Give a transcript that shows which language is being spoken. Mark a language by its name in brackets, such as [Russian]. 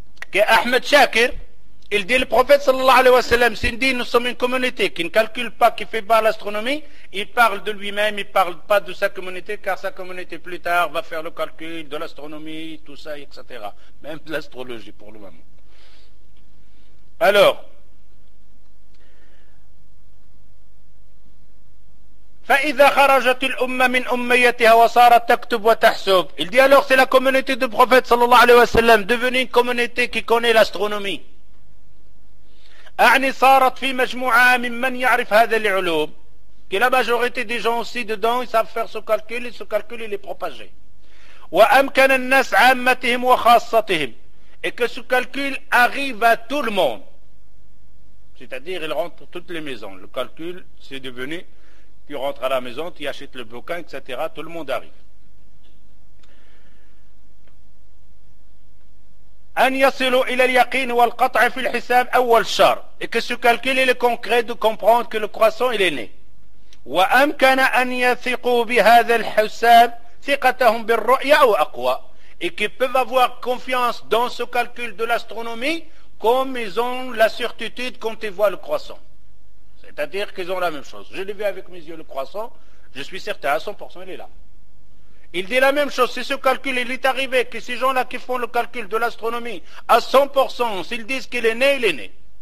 [French] que Ahmed Shakir, il dit, le prophète sallallahu alayhi wa sallam, s'il dit, nous sommes une communauté qui ne calcule pas, qui fait pas l'astronomie, il parle de lui-même, il parle pas de sa communauté, car sa communauté plus tard va faire le calcul de l'astronomie, tout ça, etc. Même de l'astrologie pour le moment. Alors, [Arabic] فإذا خرجت الأمة من أميتها وصارت تكتب وتحسب. [French] Il dit, alors c'est la communauté du prophète sallallahu alayhi wa sallam, devenue une communauté qui connaît l'astronomie. [Arabic] أعني صارت في مجموعة ممن يعرف هذا العلوم [French] que la majorité des gens aussi dedans ils savent faire ce calcul il est propagé [Arabic] وأمكن الناس عامتهم وخاصتهم [French] et que ce calcul arrive à tout le monde c'est-à-dire il rentre toutes les maisons le calcul c'est devenu tu rentres à la maison tu achètes le bouquin etc tout le monde arrive [Arabic] أن يصلوا إلى اليقين والقطع في الحساب أول شر. [French] Et que ce calcul est concret de comprendre que le croissant il est né. [Arabic] وأمكن أن يثقوا بهذا الحساب ثقتهم بالرؤية أو أقوى. [French] Et qu'ils peuvent avoir confiance dans ce calcul de l'astronomie comme ils ont la certitude quand ils voient le croissant. C'est-à-dire qu'ils ont la même chose. Je l'ai vu avec mes yeux le croissant, je suis certain à 100% il est là. Il dit la même chose, si ce calcul il est arrivé, que ces gens-là qui font le calcul de l'astronomie, à 100%, s'ils disent qu'il est né, il est né.